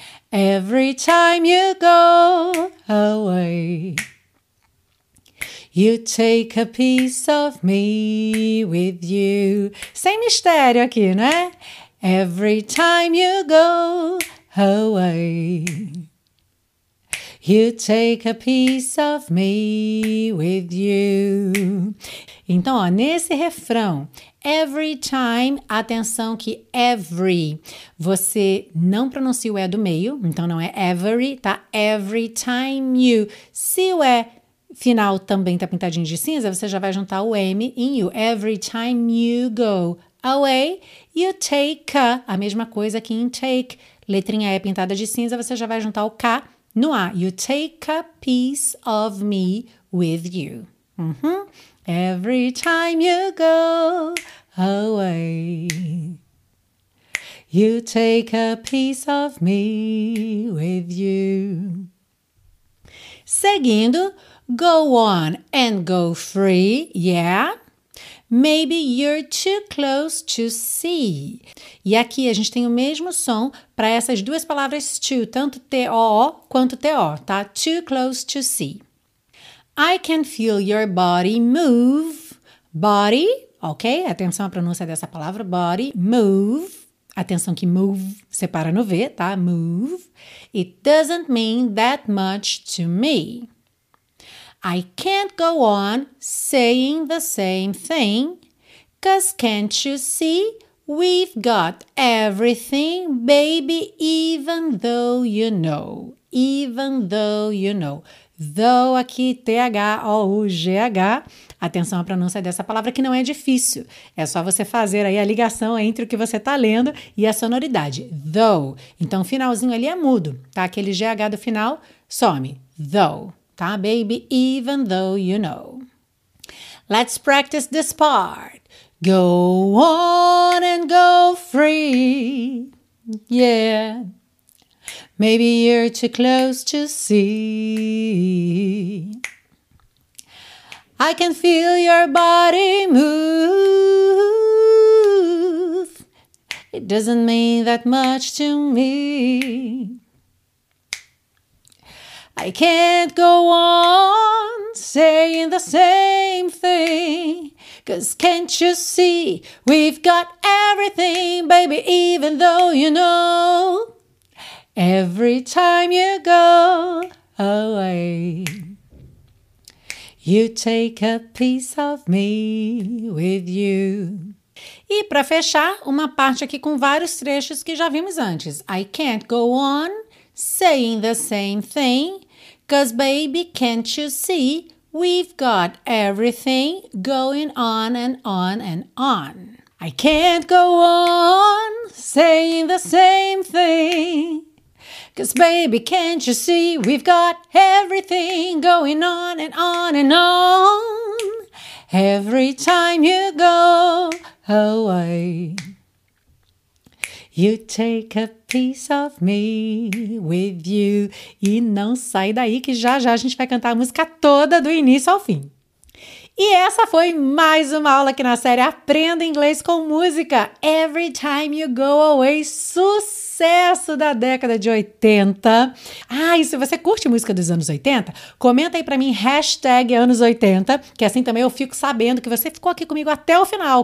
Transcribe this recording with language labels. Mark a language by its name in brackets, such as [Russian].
[English] Every time you go away, you take a piece of me with you. [Portuguese] Sem mistério aqui, né? [English] Every time you go away, you take a piece of me with you. [Portuguese] Então, ó, nesse refrão, every time, atenção que every, você não pronuncia o E do meio, então não é every, tá? [English] Every time you. [Portuguese] Se o E final também tá pintadinho de cinza, você já vai juntar o M em you. [English] Every time you go away, you take a [Portuguese] mesma coisa que em take. Letrinha E pintada de cinza, você já vai juntar o K no A. [English] You take a piece of me with you. Uhum. Every time you go away, you take a piece of me with you. Seguindo, go on and go free, yeah. Maybe you're too close to see. [Portuguese] E aqui a gente tem o mesmo som para essas duas palavras to, tanto T-O quanto T-O, tá? [English] Too close to see. I can feel your body move. Body, ok? [Portuguese] Atenção à pronúncia dessa palavra, body. Move, atenção que move separa no V, tá? [English] Move. It doesn't mean that much to me. I can't go on saying the same thing. 'Cause can't you see? We've got everything, baby, even though you know. Even though you know. [Portuguese] Though aqui, T-H-O-U-G-H, atenção à pronúncia dessa palavra que não é difícil. É só você fazer aí a ligação entre o que você está lendo e a sonoridade. Though, então o finalzinho ali é mudo, tá? Aquele GH do final some. Though, tá? [English] Baby, even though you know. Let's practice this part. Go on and go free, yeah. Maybe you're too close to see. I can feel your body move. It doesn't mean that much to me. I can't go on saying the same thing. 'Cause can't you see? We've got everything, baby, even though you know. Every time you go away, you take a piece of me with you. [Portuguese] E para fechar, uma parte aqui com vários trechos que já vimos antes. [English] I can't go on saying the same thing, 'cause baby, can't you see? We've got everything going on and on and on. I can't go on saying the same thing. 'Cause baby, can't you see? We've got everything going on and on and on. Every time you go away, you take a piece of me with you. [Portuguese] E não sai daí que já já a gente vai cantar a música toda do início ao fim. E essa foi mais uma aula aqui na série Aprenda Inglês com Música. [English] Every time you go away, [Portuguese] sucesso! sucesso da década de 80. Ah, e se você curte música dos anos 80, comenta aí pra mim, hashtag anos 80, que assim também eu fico sabendo que você ficou aqui comigo até o final.